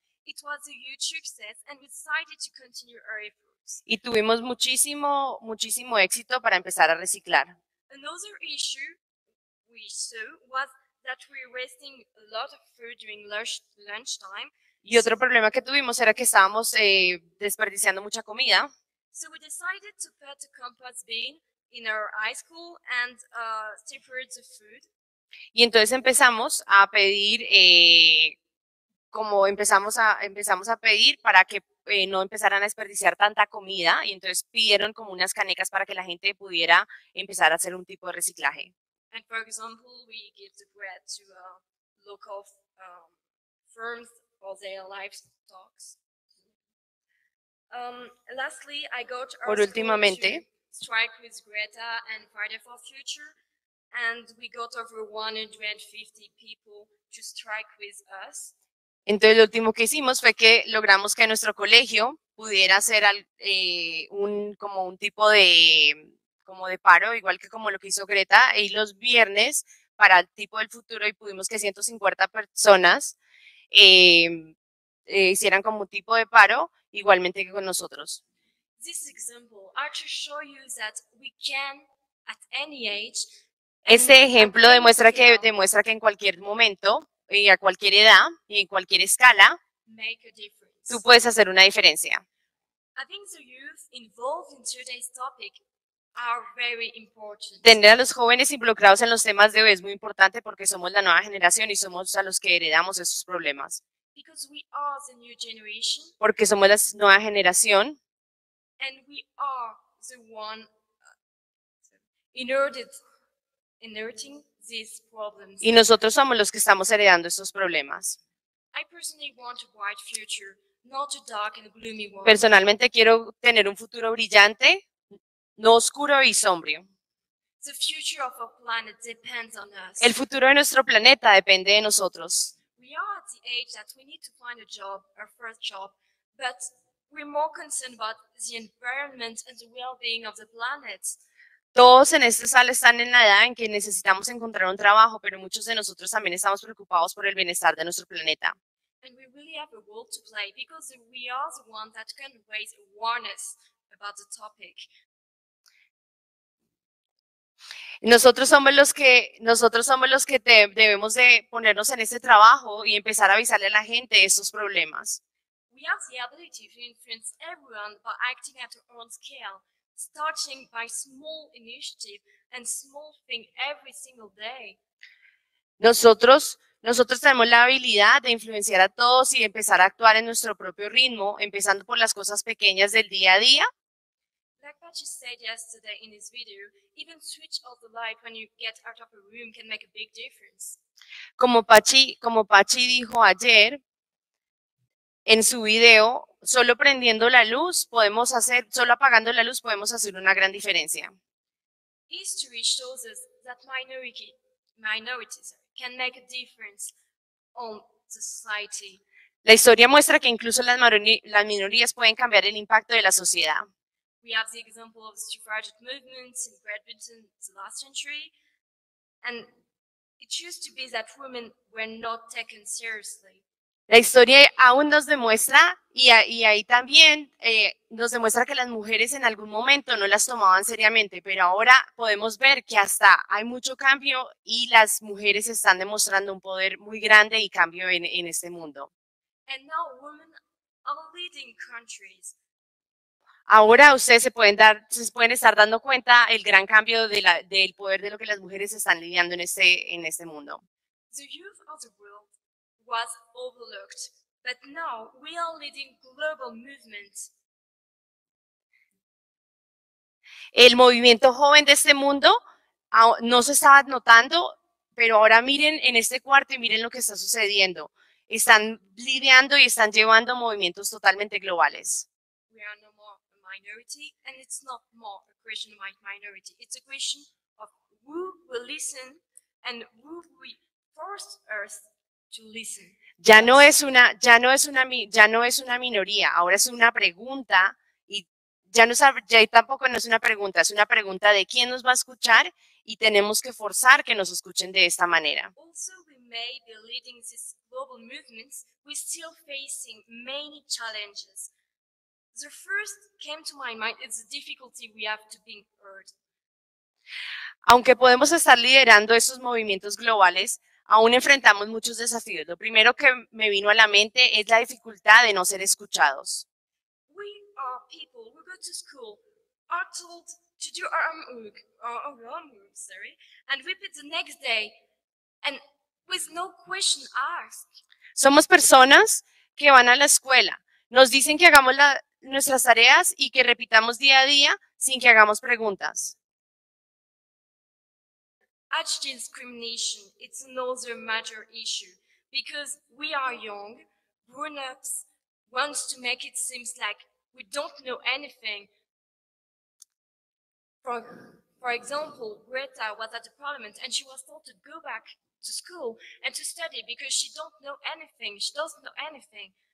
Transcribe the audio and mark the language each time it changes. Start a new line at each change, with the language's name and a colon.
English: It was a huge success, and we decided to continue our efforts.
Spanish: Y tuvimos muchísimo, muchísimo éxito para empezar a reciclar.
English: Another issue we saw was that we were wasting a lot of food during lunch time.
Spanish: Y otro problema que tuvimos era que estábamos desperdiciando mucha comida.
English: So we decided to put a compost bin in our high school and separate the food.
Spanish: Y entonces empezamos a pedir empezamos a pedir para que no empezaran a desperdiciar tanta comida, y entonces pidieron como unas canecas para que la gente pudiera empezar a hacer un tipo de reciclaje.
English: And for example, we give the bread to a local firms for their livestock. Lastly, I got our
Spanish: por últimamente,
English: to strike with Greta and Friday for Future, and we got over 150 people to strike with us.
Spanish: Entonces, lo último que hicimos fue que logramos que nuestro colegio pudiera hacer un tipo de paro, igual que como lo que hizo Greta, y los viernes para el tipo del futuro, y pudimos que 150 personas hicieran como un tipo de paro, igualmente que con nosotros.
English: This example are to show you that we can at any age.
Spanish: Este ejemplo demuestra que en cualquier momento y a cualquier edad y en cualquier escala
English: make a difference.
Spanish: Tú puedes hacer una diferencia.
English: I think the youth involved in today's topic are very important.
Spanish: Tener a los jóvenes involucrados en los temas de hoy es muy importante porque somos la nueva generación y somos a los que heredamos esos problemas.
English: Because we are the new generation.
Spanish: Porque somos la nueva generación.
English: And we are the one inheriting these problems.
Spanish: Y nosotros somos los que estamos heredando esos problemas.
English: I personally want a bright future, not a dark and gloomy one.
Spanish: Personalmente quiero tener un futuro brillante, no oscuro y sombrío.
English: The future of our planet depends on us.
Spanish: El futuro de nuestro planeta depende de nosotros.
English: We are at the age that we need to find a job, our first job, but we're more concerned about the environment and the well-being of the planet.
Spanish: Todos en esta sala están en la edad en que necesitamos encontrar un trabajo, pero muchos de nosotros también estamos preocupados por el bienestar de nuestro planeta.
English: And we really have a role to play because we are the ones that can raise awareness about the topic.
Spanish: Nosotros somos los que debemos de ponernos en este trabajo y empezar a avisarle a la gente de estos problemas.
English: We have the ability to influence everyone by acting at our own scale, starting by small initiative and small thing every single day.
Spanish: Nosotros tenemos la habilidad de influenciar a todos y empezar a actuar en nuestro propio ritmo, empezando por las cosas pequeñas del día a día.
English: Like Pachi said yesterday in his video, even switch off the light when you get out of a room can make a big difference.
Spanish: Como Pachi dijo ayer en su video, solo apagando la luz podemos hacer una gran diferencia.
English: History shows us that minorities can make a difference on the society.
Spanish: La historia muestra que incluso las minorías pueden cambiar el impacto de la sociedad.
English: We have the example of the suffrage movement in Great Britain in the last century, and it used to be that women were not taken seriously.
Spanish: La historia aún nos demuestra, y ahí también nos demuestra que las mujeres en algún momento no las tomaban seriamente, pero ahora podemos ver que hasta hay mucho cambio y las mujeres están demostrando un poder muy grande y cambio en este mundo.
English: And now women are leading countries.
Spanish: Ahora ustedes se pueden estar dando cuenta el gran cambio del poder de lo que las mujeres están lidiando en este mundo.
English: The youth of the world was overlooked, but now we are leading global movements.
Spanish: El movimiento joven de este mundo no se estaba notando, pero ahora miren en este cuarto y miren lo que está sucediendo. Están lidiando y están llevando movimientos totalmente globales.
English: Minority, and it's not more a question of minority, it's a question of who will listen and who we force us to listen.
Spanish: Ya no es una minoría, ahora es una pregunta, y ya tampoco es una pregunta, es una pregunta de quién nos va a escuchar, y tenemos que forzar que nos escuchen de esta manera.
English: Also, we may be leading these global movements, we're still facing many challenges. The first came to my mind is the difficulty we have to be heard.
Spanish: Aunque podemos estar liderando esos movimientos globales, aún enfrentamos muchos desafíos. Lo primero que me vino a la mente es la dificultad de no ser escuchados.
English: We are people who go to school, are told to do our homework, sorry, and repeat the next day, and with no question asked.
Spanish: Somos personas que van a la escuela, nos dicen que hagamos nuestras tareas y que repitamos día a día sin que hagamos preguntas.
English: Age discrimination is another major issue because we are young, grown-ups want to make it seem like we don't know anything. For example, Greta was at the parliament and she was told to go back to school and to study because she don't know anything, she doesn't know anything.